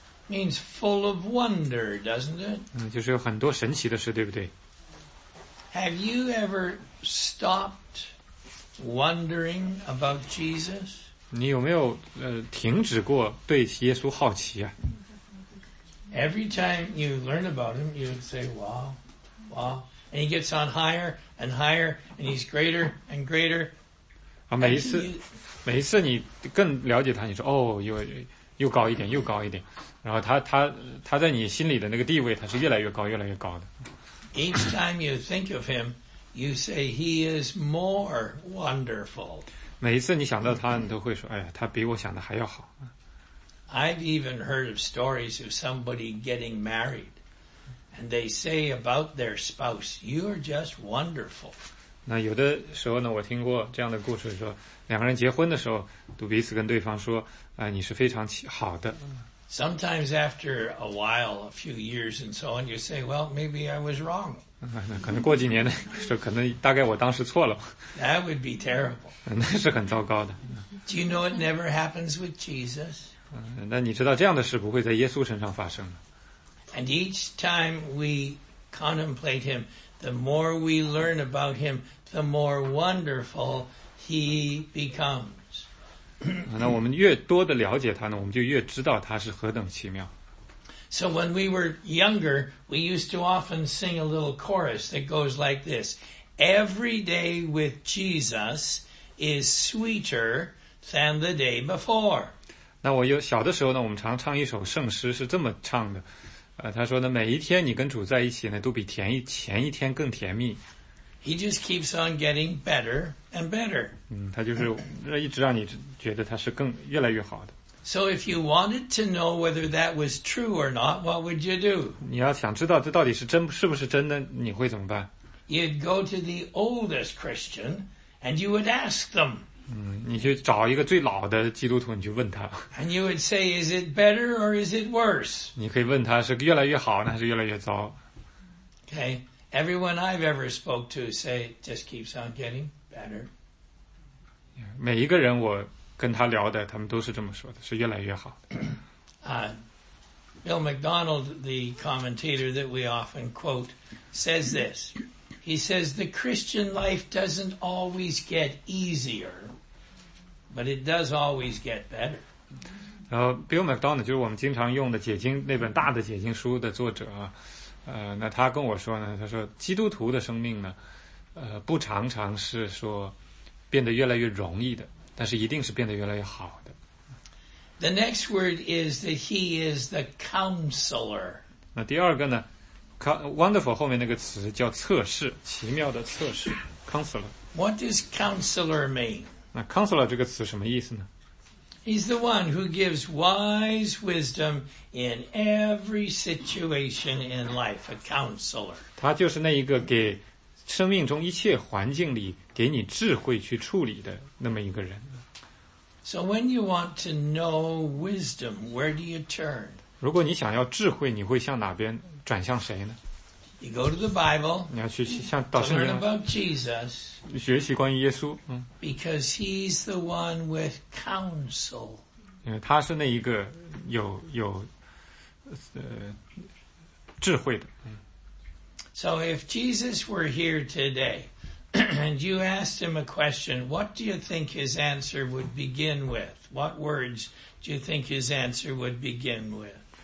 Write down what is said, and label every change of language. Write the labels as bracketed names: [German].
[English] Means full of wonder, doesn't it? [Chinese] 就是有很多神奇的事，对不对？ [English] Have you ever stopped wondering about Jesus? [Chinese] 你有没有停止过对耶稣好奇啊？ [English] Every time you learn about him, you would say, wow, wow. And he gets on higher and higher, and he's greater and greater. [Chinese] 每一次你更了解他，你说哦，又高一点，又高一点，然后他在你心里的那个地位，他是越来越高，越来越高的。 [English] Each time you think of him, you say he is more wonderful. [Chinese] 每一次你想到他，你都会说，哎呀，他比我想的还要好。 [English] I've even heard of stories of somebody getting married, and they say about their spouse, "You're just wonderful." [Chinese] 那有的时候呢，我听过这样的故事，说两个人结婚的时候，都彼此跟对方说，你是非常好的。 [English] Sometimes after a while, a few years and so on, you say, well, maybe I was wrong. [Chinese] 可能过几年的时候，可能大概我当时错了。 [English] That would be terrible. [Chinese] 那是很糟糕的。 [English] Do you know it never happens with Jesus? [Chinese] 那你知道这样的事不会在耶稣身上发生的。 [English] And each time we contemplate him,The more we learn about him, the more wonderful he becomes. [Chinese] 那我们越多的了解他呢，我们就越知道他是何等奇妙。 [English] So when we were younger, we used to often sing a little chorus that goes like this. Every day with Jesus is sweeter than the day before. [Chinese] 那我有小的时候呢，我们常唱一首圣诗，是这么唱的。他说呢，每一天你跟主在一起呢，都比前一天更甜蜜。 [English] He just keeps on getting better and better. [Chinese] 他就是一直让你觉得他是更越来越好的。 [English] So if you wanted to know whether that was true or not, what would you do? [Chinese] 你要想知道这到底是真是不是真的，你会怎么办 [English] ？You'd go to the oldest Christian and you would ask them. [Chinese] 你去找一个最老的基督徒，你去问他。 [English] And you would say, is it better or is it worse? [Chinese] 你可以问他是越来越好呢，还是越来越糟。 [English] Okay, everyone I've ever spoke to say, just keeps on getting better. [Chinese] 每一个人我跟他聊的，他们都是这么说的，是越来越好的。 [English] Bill MacDonald, the commentator that we often quote, says this. He says, the Christian life doesn't always get easier, but it does always get better. [Chinese] Bill MacDonald, 就是我们经常用的解经，那本大的解经书的作者啊，那他跟我说呢，他说基督徒的生命呢，不常常是说变得越来越容易的，但是一定是变得越来越好的。 [English] The next word is that he is the counselor. [Chinese] 那第二个呢 ,wonderful 后面那个词叫测试，奇妙的测试 ,counselor. [English] What does counselor mean? [Chinese] 那 counselor 这个词什么意思呢？ [English] He's the one who gives wise wisdom in every situation in life, a counselor. [Chinese] 他就是那一个给生命中一切环境里给你智慧去处理的那么一个人。 [English] So when you want to know wisdom, where do you turn? [Chinese] 如果你想要智慧，你会向哪边转向谁呢？ [English] You go to the Bible. [Chinese] 你要去向导师那边。 [English] Learn about Jesus. [Chinese] 学习关于耶稣。 [English] Because he's the one with counsel. [Chinese] 因为他是那一个有智慧的。 [English] So if Jesus were here today, and you asked him a question, what do you think his answer would begin with? What words do you think his answer would begin with?